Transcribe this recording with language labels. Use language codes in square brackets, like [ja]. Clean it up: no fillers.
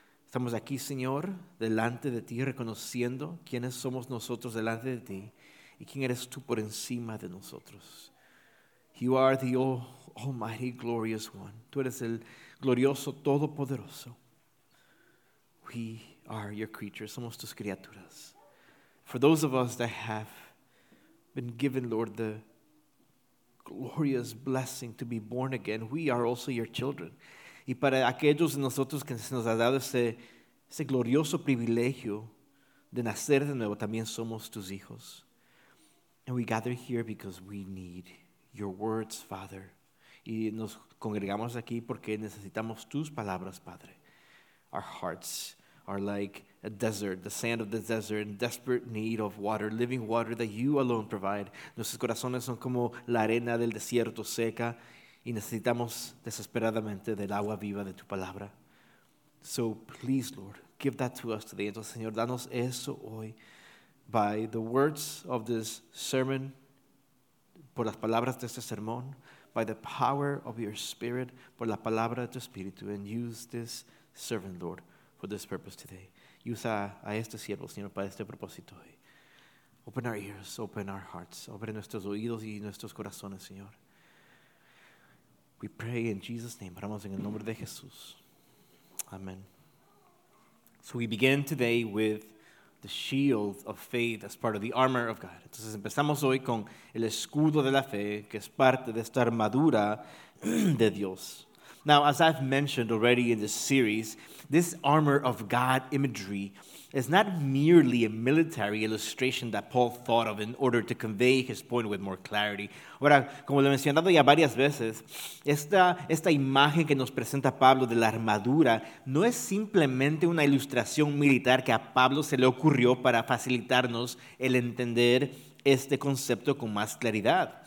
[es] Estamos aquí, Señor, delante de ti, reconociendo quiénes somos nosotros delante de ti y quién eres tú por encima de nosotros. [en] You are the Almighty, glorious one. [es] Tú eres el glorioso, todopoderoso. [en] We are your creatures. [es] Somos tus criaturas. [en] For those of us that have been given, Lord, the glorious blessing to be born again, we are also your children. [es] Y para aquellos de nosotros que se nos ha dado ese glorioso privilegio de nacer de nuevo, también somos tus hijos. [en] And we gather here because we need your words, Father. [es] Y nos congregamos aquí porque necesitamos tus palabras, Padre. [en] Our hearts are like a desert, the sand of the desert, in desperate need of water, living water that you alone provide. [es] Nuestros corazones son como la arena del desierto seca y necesitamos desesperadamente del agua viva de tu palabra. [en] So please, Lord, give that to us today. [es] Entonces, Señor, danos eso hoy [en] by the words of this sermon, [es] por las palabras de este sermón, [en] by the power of your spirit, [es] por la palabra de tu espíritu, [en] and use this servant, Lord, for this purpose today. [es] Usa a este siervo, Señor, para este propósito hoy. [en] Open our ears, open our hearts, [es] abre nuestros oídos y nuestros corazones, Señor. [en] We pray in Jesus' name. [es] Oramos en el nombre de Jesús. Amen. [en] So we begin today with the shield of faith as part of the armor of God. [es] Entonces empezamos hoy con el escudo de la fe, que es parte de esta armadura de Dios. [en] Now, as I've mentioned already in this series, this armor of God imagery is not merely a military illustration that Paul thought of in order to convey his point with more clarity. [es] Ahora, como lo he mencionado ya varias veces, esta imagen que nos presenta Pablo de la armadura no es simplemente una ilustración militar que a Pablo se le ocurrió para facilitarnos el entender este concepto con más claridad.